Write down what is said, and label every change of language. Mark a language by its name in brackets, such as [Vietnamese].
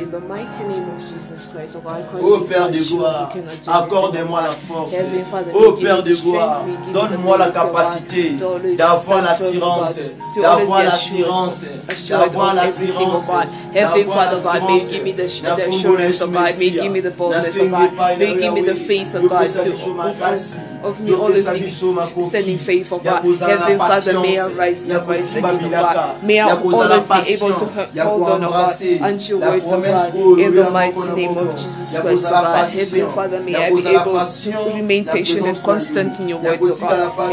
[English] In the mighty name of Jesus Christ, oh God. [French] Oh Père de gloire, accorde-moi la force. Oh Père de gloire, donne-moi la capacité d'avoir l'assurance, [English] of me always be sending faith for God. Heavenly Father, may I rise in the Christ the kingdom of God. May I always be able to hold on to God and your words of God in the mighty name of Jesus Christ of God. Heavenly Father, may I be able to remain patient and constant in your words of God.